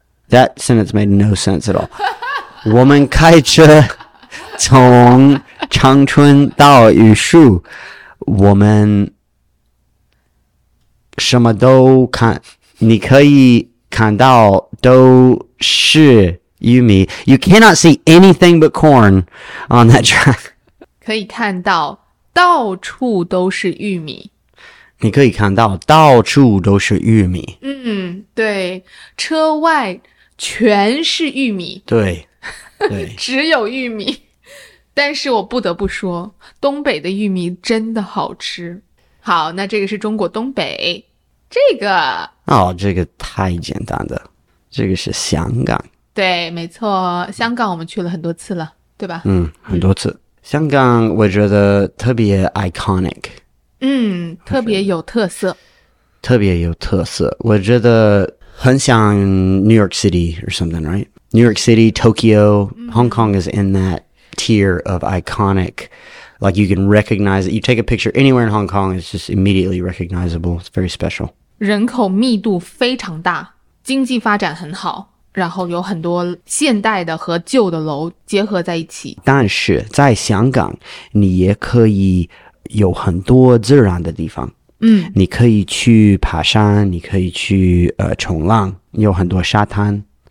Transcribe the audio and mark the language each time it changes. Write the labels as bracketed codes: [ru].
[en] That sentence made no sense at all. [zh] 我们开车从长春到榆树，我们什么都看，你可以看到都是玉米。 [en] You cannot see anything but corn on that track. [zh] 可以看到到处都是玉米。你可以看到到处都是玉米。嗯，对，车外全是玉米。对，对，只有玉米。但是我不得不说，东北的玉米真的好吃。好，那这个是中国东北，这个哦，这个太简单的，这个是香港。对，没错，香港我们去了很多次了，对吧？嗯，很多次。香港我觉得特别 iconic，嗯，特别有特色，特别有特色。我觉得很像 [en] New York City or something, right? New York City, Tokyo, Hong Kong is in that. Tier of iconic, like you can recognize it. You take a picture anywhere in Hong Kong, it's just immediately recognizable. It's very special. [zh] 人口密度非常大，经济发展很好，然后有很多现代的和旧的楼结合在一起。但是在香港，你也可以有很多自然的地方。嗯，你可以去爬山，你可以去冲浪，有很多沙滩。